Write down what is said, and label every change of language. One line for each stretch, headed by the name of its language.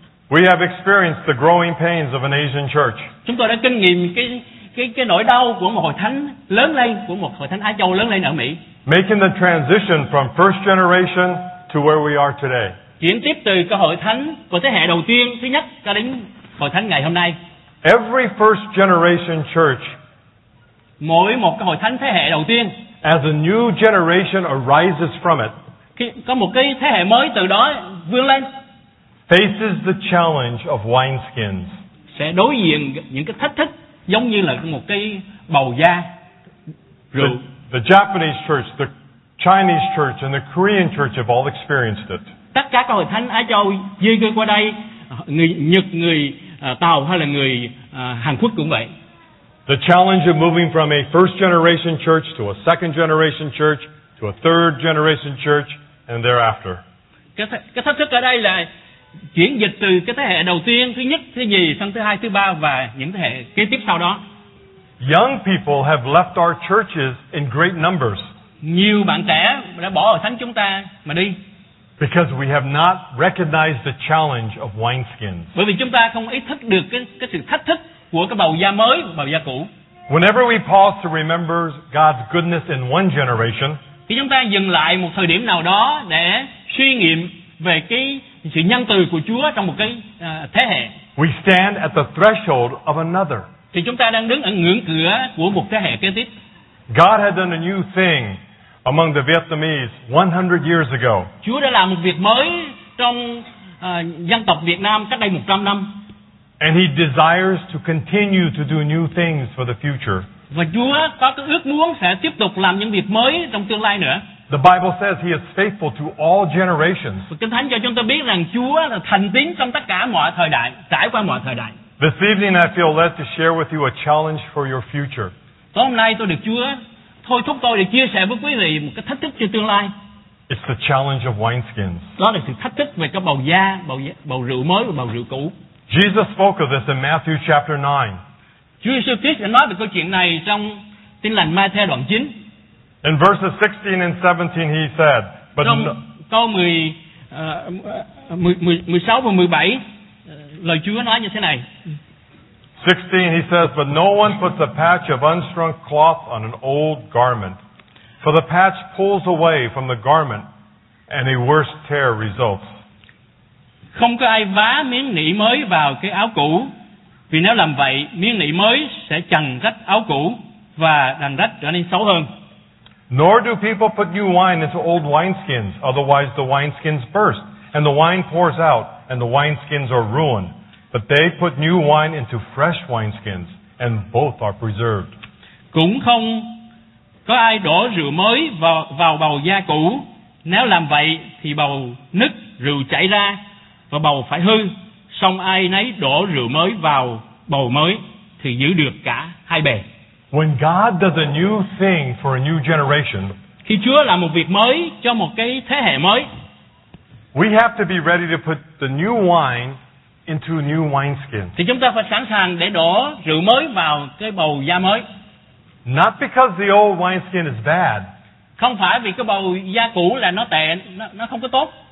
English: We have experienced the growing pains of an Asian church.
Vietnamese: Chúng tôi đã kinh nghiệm cái nỗi đau của một hội thánh lớn lên, của một hội thánh Á Châu lớn lên ở Mỹ.
English: Making the transition from first generation to where we are today.
Vietnamese: Chuyển tiếp từ cái hội thánh của thế hệ đầu tiên thứ nhất cho đến hội thánh ngày hôm nay.
English: Every first generation church.
Vietnamese: Mỗi một cái hội thánh thế hệ đầu tiên.
English: As a new generation arises from it.
Vietnamese: Có một cái thế hệ mới từ đó vươn lên.
English: Faces the challenge of wineskins.
Vietnamese: Sẽ đối diện những cái thách thức giống như là một cái bầu da rượu.
English: The Japanese church, the Chinese church, and the Korean church have all experienced it.
Vietnamese: Tất cả các hội thánh Á Châu di cư qua đây, người Nhật, người Tàu hay là người Hàn Quốc cũng vậy.
English: The challenge of moving from a first generation church to a second generation church to a third generation church and thereafter.
Vietnamese: Cái thách thức ở đây là chuyển dịch từ cái thế hệ đầu tiên, thứ nhất, thứ nhì, sang thứ hai, thứ ba và những thế hệ kế tiếp sau đó.
English: Young people have left our churches in great numbers.
Vietnamese: Nhiều bạn trẻ đã bỏ hội thánh chúng ta mà đi.
English: Because we have not recognized the challenge of wineskins.
Vietnamese: Bởi vì chúng ta không ý thức được cái sự thách thức của cái bầu da mới, bầu da cũ.
English: Whenever we pause to remember God's goodness in one generation,
Vietnamese: thì chúng ta dừng lại một thời điểm nào đó để suy nghiệm về cái sự nhân từ của Chúa trong một cái thế hệ.
English: We stand at the threshold of another.
Vietnamese: Thì chúng ta đang đứng ở ngưỡng cửa của một thế hệ kế tiếp.
English: God had done a new thing among the Vietnamese 100 years ago.
Vietnamese: Chúa đã làm một việc mới trong dân tộc Việt Nam cách đây 100 năm.
English: And he desires to continue to do new things for the future.
Vietnamese: Và Chúa có cái ước muốn sẽ tiếp tục làm những việc mới trong tương lai nữa.
English: The Bible says he is faithful to all generations.
Vietnamese: Kinh Thánh cho chúng ta biết rằng Chúa là thành tín trong tất cả mọi thời đại, trải qua mọi thời đại.
English: This evening I feel led to share with you a challenge for your future.
Vietnamese: Tối hôm nay tôi được Chúa thôi thúc tôi để chia sẻ với quý vị một cái thách thức cho tương lai.
English: It's the challenge of wineskins.
Vietnamese: Đó là sự thách thức về cái bầu da, bầu rượu mới và bầu rượu cũ.
English: Jesus spoke of this in Matthew chapter 9.
Vietnamese: Chúa Jesus Christ đã nói về câu chuyện này trong Tin Lành Ma-thi-ơ đoạn 9.
English: In verses 16 and 17 he said, but
Vietnamese: trong câu 16 và 17 lời Chúa nói như thế này.
English: 16 he says, but no one puts a patch of unstrung cloth on an old garment, for the patch pulls away from the garment and a worse tear results.
Vietnamese: Không có ai vá miếng nỉ mới vào cái áo cũ, vì nếu làm vậy, miếng nỉ mới sẽ chằn rách áo cũ và đành rách trở nên xấu hơn.
English: Nor do people put new wine into old wineskins, otherwise the wineskins burst, and the wine pours out, and the wineskins are ruined. But they put new wine into fresh wineskins, and both are preserved.
Vietnamese: Cũng không có ai đổ rượu mới vào bầu da cũ. Nếu làm vậy, thì bầu nứt, rượu chảy ra, và bầu phải hư. Song ai nấy đổ rượu mới vào bầu mới, thì giữ được cả hai bề.
English: When God does a new thing for a new generation,
Vietnamese: khi Chúa làm một việc mới cho một cái thế hệ mới,
English: we have to be ready to put the new wine into a new wineskin.
Vietnamese: Thì chúng ta phải sẵn sàng để đổ rượu mới vào cái bầu da mới.
English: Not because the old wineskin is bad.
Vietnamese: Không phải vì cái bầu da cũ là nó tệ, nó không có tốt.